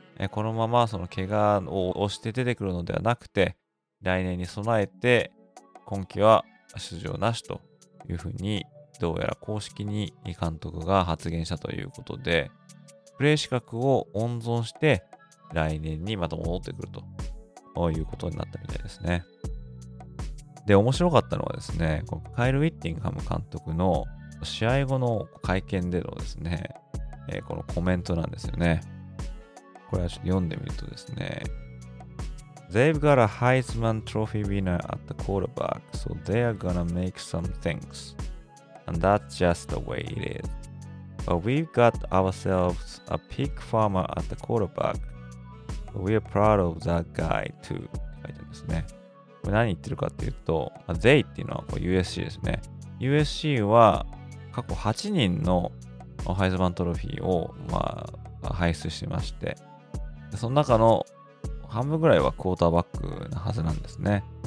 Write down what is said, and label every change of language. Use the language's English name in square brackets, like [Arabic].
[Japanese] このままその怪我を押して出てくるのではなくて、来年に備えて今季は出場なしというふうにどうやら公式に監督が発言したということで、プレー資格を温存して来年にまた戻ってくるということになったみたいですね。で、面白かったのはですね、カイル・ウィッティンガム監督の試合後の会見でのですね、このコメントなんですよね。これはちょっと読んでみるとですね、 [English] They've got a Heisman Trophy winner at the quarterback, so they are gonna make some things. And that's just the way it is. But we've got ourselves a pig farmer at the quarterback. We are proud of that guy too. [Japanese] って書いてあるんですね。これ何言ってるかっていうと、まあ、They っていうのはこう USC ですね。 USC は過去8人のハイズマントロフィーを、まあ、輩出してまして、その中の半分ぐらいはクォーターバックなはずなんですね。